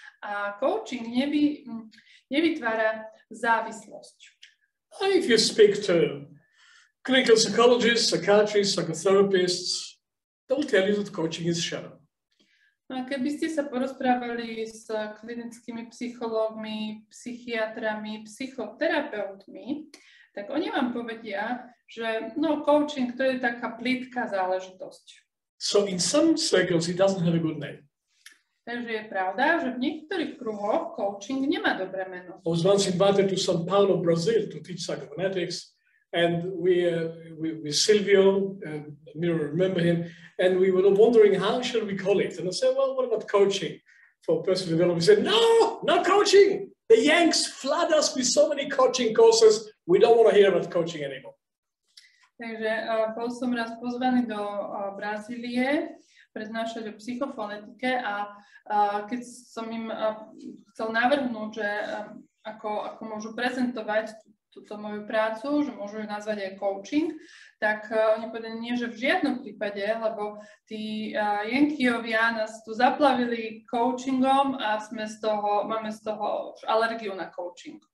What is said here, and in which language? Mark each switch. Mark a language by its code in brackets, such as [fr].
[sk] A coaching nevytvára závislosť. [en] If you speak to clinical psychologists, psychiatrists, psychotherapists, they will tell you that coaching is shadow. [sk] No a keby ste sa porozprávali s klinickými psychológmi, psychiatrami, psychoterapeutmi, tak oni vám povedia, že no, coaching to je taká plytká záležitosť. [en] So in some circles it doesn't have a good name. [sk] Takže je pravda, že v niektorých kruhoch coaching nemá dobré meno. [en] I was once invited to São Paulo, Brazil, to teach psychophonetics, and we Silvio, I remember him, and we were wondering how should we call it. And I said, well, what about coaching for personal development? He said, no, no coaching. The Yanks flood us with so many coaching courses. We don't want to hear about coaching anymore. [sk] Takže bol som raz pozvaný do Brazílie prednášať o psychofonetike a keď som im chcel navrhnúť, že ako môžu prezentovať túto moju prácu, že môžu ju nazvať aj coaching, tak oni povedali, nie, že v žiadnom prípade, lebo tí Yankeeovia nás tu zaplavili coachingom a máme z toho už alergiu na coaching.